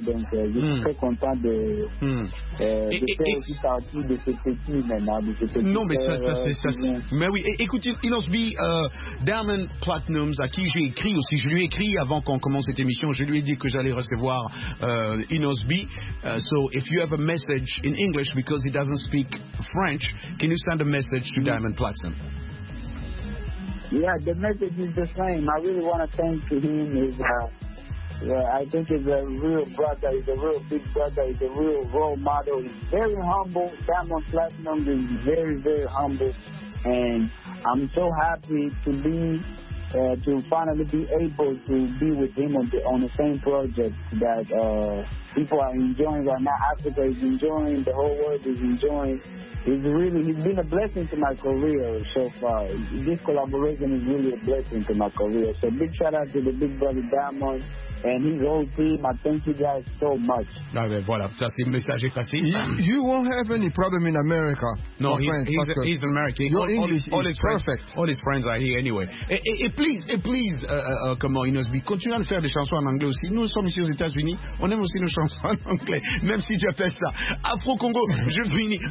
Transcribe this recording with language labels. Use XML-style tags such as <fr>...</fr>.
<fr>Donc je suis très content de, faire aussi partie de ce petit maintenant. De ce petit non, mais ça, ça c'est ça. C'est... Mais oui, écoutez, Inos B, Diamond Platnums, à qui j'ai écrit aussi, je lui ai écrit avant qu'on commence cette émission, je lui ai dit que j'allais recevoir Inos B.</fr> <en>So if you have a message, in English because he doesn't speak French, can you send a message to Diamond Platinum? Yeah, the message is the same. I really want to thank him. He's, I think he's a real brother. He's a real big brother. He's a real role model. He's very humble. Diamond Platinum is very, very humble. And I'm so happy to be to finally be able to be with him on the same project that people are enjoying right now. Africa is enjoying, the whole world is enjoying. It's really, it's been a blessing to my career so far. This collaboration is really a blessing to my career. So big shout out to the big brother Diamond and his whole team. I thank you guys so much.</en> <fr>Ah, ben voilà, ça c'est le message est passé.</fr> <en>You won't have any problem in America. No, he's American. Your English all is perfect. Friends, all his friends are here anyway.</en> <fr>Et please, comment Inos B, continue à faire des chansons en anglais aussi. Nous sommes ici aux États-Unis, on aime aussi nos chansons en anglais, même si j'appelle ça Afro-Congo, je finis.</fr>